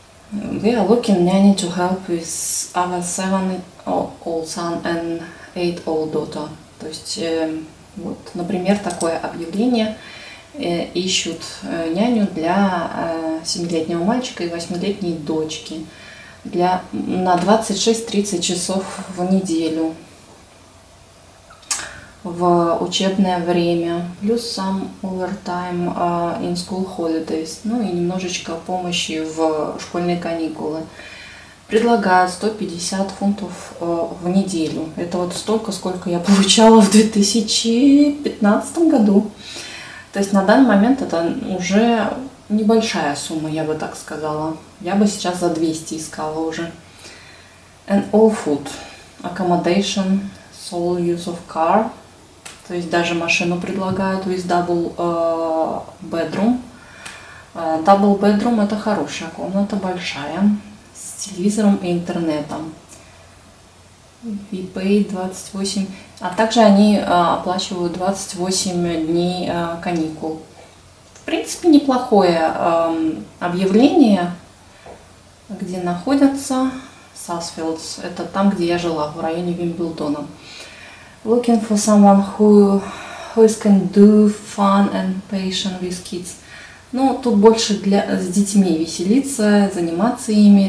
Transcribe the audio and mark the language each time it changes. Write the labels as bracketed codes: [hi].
[en] We are looking nanny to help with our 7-year-old son and 8-year-old daughter. [ru] То есть, вот, например, такое объявление. Ищут няню для 7-летнего мальчика и 8-летней дочки на 26-30 часов в неделю. В учебное время, плюс сам [en] overtime in school holidays, [ru] ну и немножечко помощи в школьные каникулы. Предлагают 150 фунтов в неделю. Это вот столько, сколько я получала в 2015 году. То есть на данный момент это уже небольшая сумма, я бы так сказала. Я бы сейчас за 200 искала уже. [en] And all food, accommodation, sole use of car. [ru] То есть даже машину предлагают [en] with double bedroom. [ru] Double bedroom это хорошая комната, большая, с телевизором и интернетом. [en] We pay 28, [ru] а также они оплачивают 28 дней каникул. В принципе, неплохое объявление, где находятся Sosfields. Это там, где я жила, в районе Вимблдона. [en] Looking for someone who can do fun and patient with kids. [ru] Ну, тут больше для с детьми веселиться, заниматься ими.